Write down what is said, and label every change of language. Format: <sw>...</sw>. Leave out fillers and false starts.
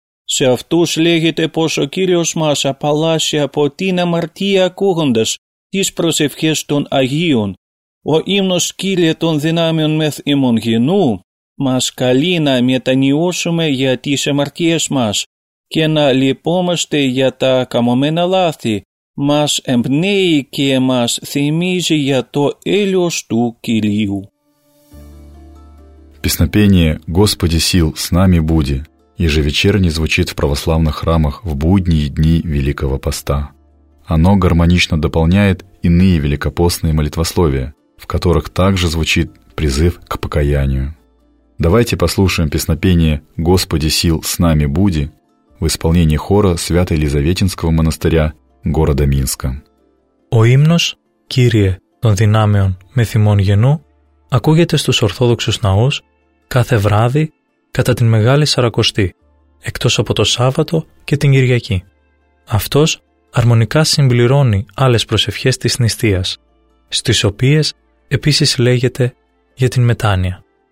<el>Σε αυτούς λέγεται πως ο Κύριος μας απαλλάσσει από την αμαρτία ακούγοντας τις προσευχές των Αγίων. Ο ύμνος «Κύριε των δυνάμειων μεθ ημών γενού» μας καλεί να μετανοιώσουμε για τις αμαρτίες μας και να λυπόμαστε για τα καμωμένα λάθη Маш эмпнеи ке маш сеймиже я то элю шту килию.</el> <ru>Песнопение «Господи сил, с нами буди» ежевечерне звучит в православных храмах в будние дни Великого Поста. Оно гармонично дополняет иные великопостные молитвословия, в которых также звучит призыв к покаянию. Давайте послушаем песнопение «Господи сил, с нами буди» в исполнении хора Свято-Елизаветинского монастыря города Минска.</ru> <el>Ο ύμνος «Κύριε των δυνάμεων με θυμών γενού» ακούγεται στους Ορθόδοξους ναούς κάθε βράδυ κατά την Μεγάλη Σαρακοστή, εκτός από το Σάββατο και την Κυριακή. Αυτός αρμονικά συμπληρώνει άλλες προσευχές της νηστείας, στις οποίες επίσης λέγεται για την μετάνοια.</el>